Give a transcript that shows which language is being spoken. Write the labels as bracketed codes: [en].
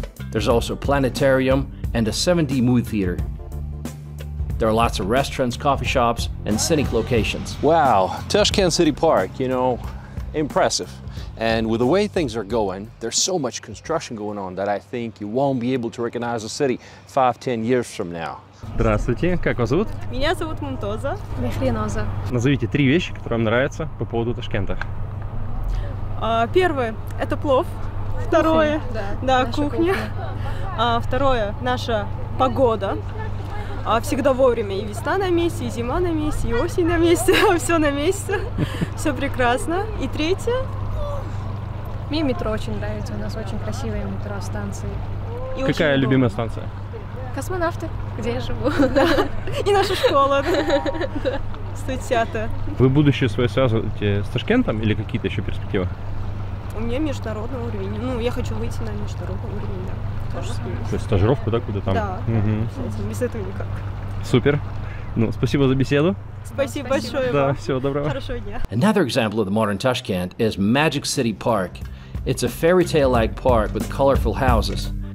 [en] There's also a planetarium and a 7D movie theater. There are lots of restaurants, coffee shops, and scenic locations. Wow, Tashkent City Park, you know, impressive. And with the way things are going, there's so much construction going on that I think you won't be able to recognize the city 5-10 years from now. [ru] Здравствуйте, как вас зовут? Меня зовут Мунтоза. Мишлиноза. Назовите три вещи, которые вам нравятся по поводу Ташкента. Первое – это плов. Второе – да, кухня. Кухня. Второе – наша погода. Всегда вовремя. И весна на месте, и зима на месте, и осень на месте. Все на месте. Все прекрасно. И третье – мне метро очень нравится, у нас очень красивые метростанции. И какая любимая станция? Космонавты, где я живу. И наша школа. Студсята. Вы будущее свое связываете с Ташкентом или какие-то еще перспективы? У меня международный уровень. Ну, я хочу выйти на международный уровень, да. То есть стажировку, да, куда там? Да, без этого никак. Супер. Ну, спасибо за беседу. [en] Another example of the modern Tashkent is Magic City Park. It's a fairy tale like park with colorful houses.